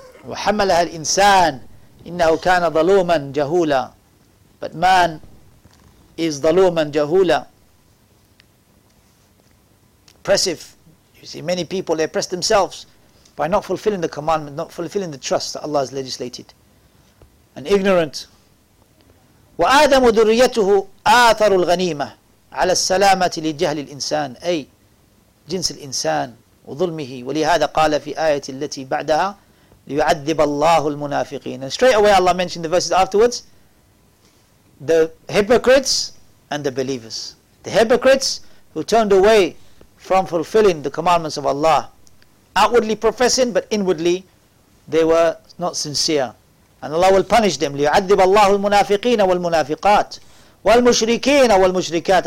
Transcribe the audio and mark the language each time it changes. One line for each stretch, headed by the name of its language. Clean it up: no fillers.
Arabic: وَحَمَلَهَا الْإِنسَانِ. إِنَّهُ كَانَ ظَلُومًا جَهُولًا.
English: But man is
Arabic: ظَلُومًا جَهُولًا.
English: Oppressive. You see, many people, they oppress themselves by not fulfilling the commandment, not fulfilling the trust that Allah has legislated. And ignorant.
Arabic: وآدم وذريته آثر الغنيمة على السلامة لجهل الإنسان أي جنس الإنسان وظلمه. ولهذا قال في آية التي بعدها ليعذب الله المنافقين.
English: And straight away Allah mentioned the verses afterwards, the hypocrites and the believers. The hypocrites who turned away from fulfilling the commandments of Allah, outwardly professing, but inwardly they were not sincere. And Allah will punish them.
Arabic: لِيُعَذِّبَ اللَّهُ الْمُنَافِقِينَ وَالْمُنَافِقَاتِ وَالْمُشْرِكِينَ وَالْمُشْرِكَاتِ.